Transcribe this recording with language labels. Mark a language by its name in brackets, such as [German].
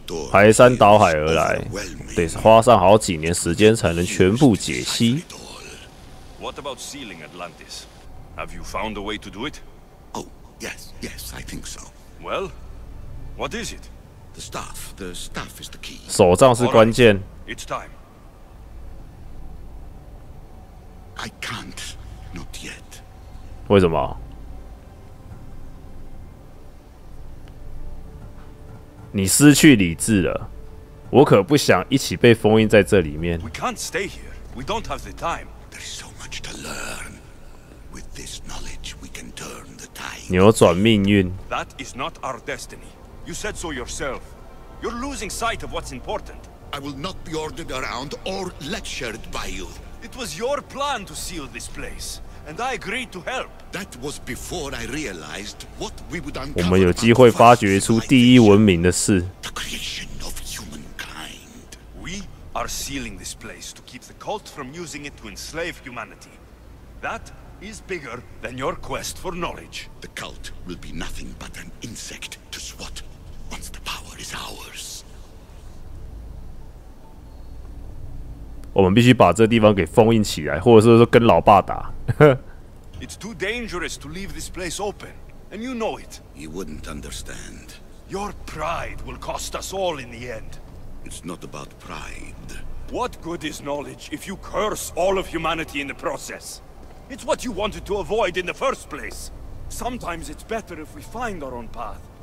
[Chinese] 排山倒海而来，得花上好几年时间才能全部解析。 [English] What about sealing Atlantis? Have you found a way to do it? Oh, yes, yes, I think so. Well, what is it? The staff is the key. [Chinese] 手杖是关键。 [English] It's time. I can't. Not yet. [Chinese] 为什么？你失去理智了，我可不想一起被封印在这里面。 [English] We can't stay here. We don't have the time. There is so much to learn. With this knowledge, we can turn the tide. [Chinese] 扭转命运。 [English] That is not our destiny. You said so yourself. You're losing sight of what's important. I will not be ordered around or lectured by you. It was your plan to seal this place, and I agreed to help. That was before I realized what we would uncover. [Chinese] 我们有机会发掘出第一文明的事。 [English] The creation of humankind. We are sealing this place to keep the cult from using it to enslave humanity. That is bigger than your quest for knowledge. The cult will be nothing but an insect to swat once the power is ours. [Chinese] 我们必须把这地方给封印起来，或者是说跟老爸打。 [English] It's too dangerous to leave this place open, and you know it. You wouldn't understand. Your pride will cost us all in the end. It's not about pride. What good is knowledge if you curse all of humanity in the process? It's what you wanted to avoid in the first place. Sometimes it's better if we find our own path.